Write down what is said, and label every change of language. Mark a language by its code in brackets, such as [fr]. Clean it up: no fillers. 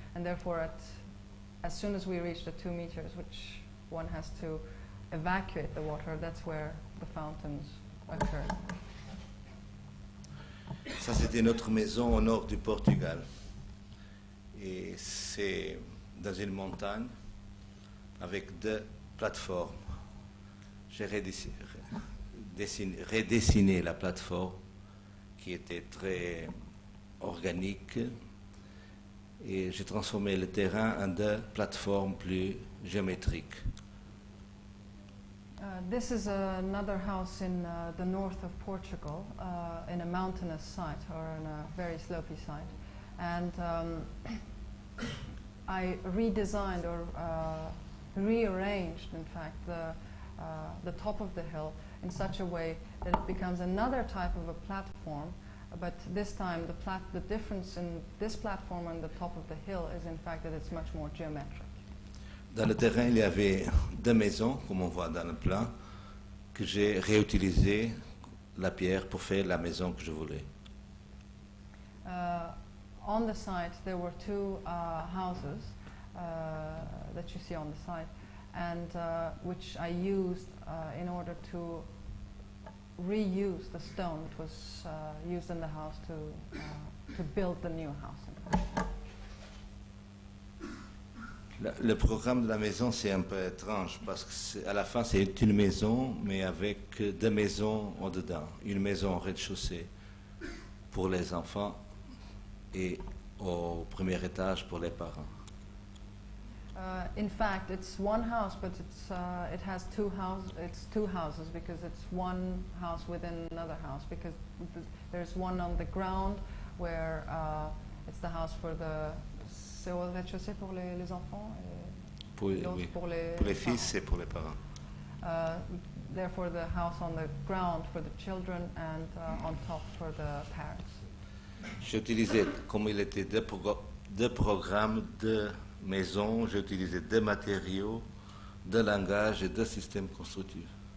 [en] And therefore, as soon as we reach the 2 meters, which one has to evacuate the water, that's where the fountains occur. [fr] Ça, c'était notre maison au nord du Portugal. Et c'est dans une montagne avec 2 plateformes. J'ai redessiné la plateforme qui était très organique. Et j'ai transformé le terrain en 2 plateformes plus géométriques. [en] This is another house in the north of Portugal, in a mountainous site, or in a very slopy site. And I redesigned, or rearranged, in fact, the top of the hill in such a way that it becomes another type of a platform. But this time, the difference in this platform and the top of the hill is, in fact, that it's much more geometric. [fr] Dans le terrain, il y avait 2 maisons, comme on voit dans le plan, que j'ai réutilisé la pierre pour faire la maison que je voulais. [en] On the site, there were 2 houses that you see on the site, and which I used in order to reuse the stone that was used in the house to build the new house. [fr] Le programme de la maison, c'est un peu étrange parce que à la fin, c'est une maison, mais avec 2 maisons en dedans. Une maison au rez-de-chaussée pour les enfants et au premier étage pour les parents. [en] In fact, it's one house, but it has 2 houses. It's 2 houses because it's 1 house within another house, because there's one on the ground where it's the house for the [fr] c'est au rez-de-chaussée pour les enfants et pour les fils et pour les parents. [en] Therefore, the house on the ground for the children and on top for the parents. [fr] J'ai utilisé, comme il était deux programmes, 2 maisons, j'ai utilisé 2 matériaux, 2 langages et 2 systèmes constructifs.